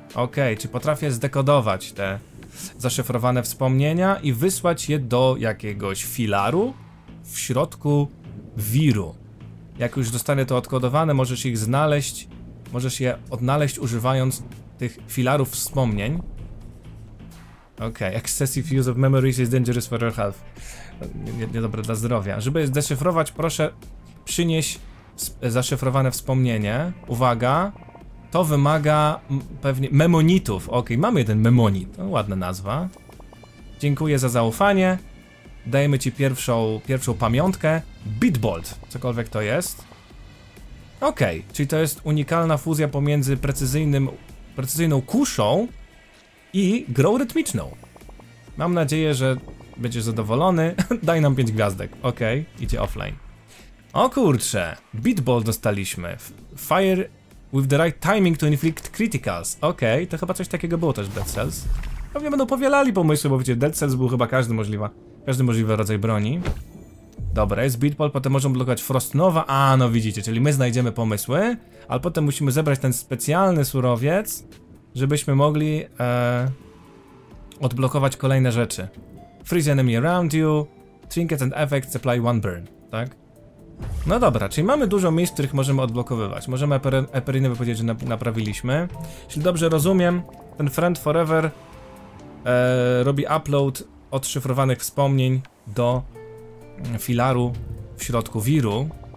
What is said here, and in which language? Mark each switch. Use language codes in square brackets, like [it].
[pl] Okej, czy potrafię zdekodować te zaszyfrowane wspomnienia i wysłać je do jakiegoś filaru w środku wiru? Jak już zostanie to odkodowane, możesz ich znaleźć, możesz je odnaleźć używając tych filarów wspomnień. [en] Okej, excessive use of memories is dangerous for your health. [pl] Niedobre dla zdrowia. Żeby je zdeszyfrować, proszę przynieść zaszyfrowane wspomnienie. Uwaga, to wymaga pewnie memonitów. Okej, mamy jeden memonit, no, ładna nazwa. Dziękuję za zaufanie. Dajemy ci pierwszą pamiątkę. Bitbolt, cokolwiek to jest. Okej, czyli to jest unikalna fuzja pomiędzy precyzyjną kuszą i grą rytmiczną. Mam nadzieję, że będziesz zadowolony. Daj nam 5 gwiazdek. Okej, idzie offline. O kurcze, Bitbolt dostaliśmy. [en] Fire with the right timing to inflict criticals. [pl] Okej, to chyba coś takiego było też w Dead Cells. Pewnie będą powielali pomysły, bo wiecie, Dead Cells był chyba każdy możliwy rodzaj broni. Dobra, jest Bitbolt, potem możemy blokować Frost Nova. A, no widzicie, czyli my znajdziemy pomysły, ale potem musimy zebrać ten specjalny surowiec, żebyśmy mogli odblokować kolejne rzeczy. [en] Freeze enemy around you, trinkets and effects apply one burn, tak? [pl] No dobra, czyli mamy dużo miejsc, których możemy odblokowywać. Możemy Eperiny powiedzieć, że naprawiliśmy. Jeśli dobrze rozumiem, ten Friend Forever robi upload odszyfrowanych wspomnień do filaru w środku wiru.